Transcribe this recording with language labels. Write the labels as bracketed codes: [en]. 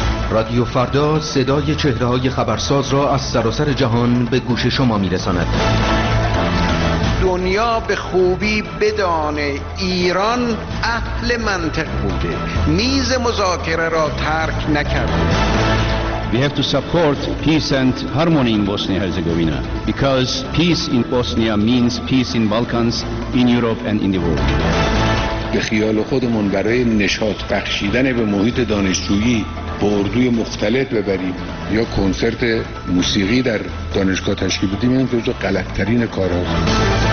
[fa] رادیو فردا صدای چهره‌های خبرساز را از سراسر جهان به گوش شما می‌رساند. دنیا به خوبی بدانه ایران اهل منطق بوده، میز مذاکره را ترک نکرده. [en] We have to support peace and harmony in Bosnia Herzegovina because peace in Bosnia means peace in Balkans, in Europe and in the world. [fa] به خیال خودمون برای نشاط بخشیدن به محیط دانشجویی به اردوی مختلط ببریم یا کنسرت موسیقی در دانشگاه تشکیل بدیم، این جزو غلط‌ترین کارهاست.